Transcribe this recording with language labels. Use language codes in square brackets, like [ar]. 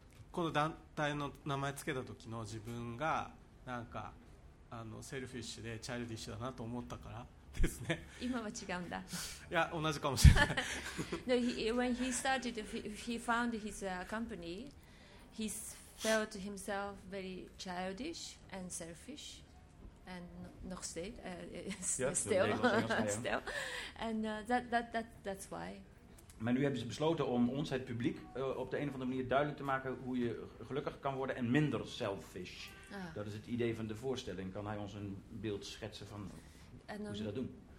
[ja] この団体の名前つけた時の自分がなんかセルフィッシュでチャイルディッシュだなと思ったからですね。今は違うんだ。いや、同じかもしれない。 [en] No, when he started, he found his company, he felt himself very childish and selfish, and not stayed, still. still. And that's why. [nl] Maar nu hebben ze besloten om ons, het publiek, op de een of andere manier duidelijk te maken hoe je gelukkig kan worden en minder selfish. Ah. Dat is het idee van de voorstelling. Kan hij ons een beeld schetsen van hoe ze dat doen?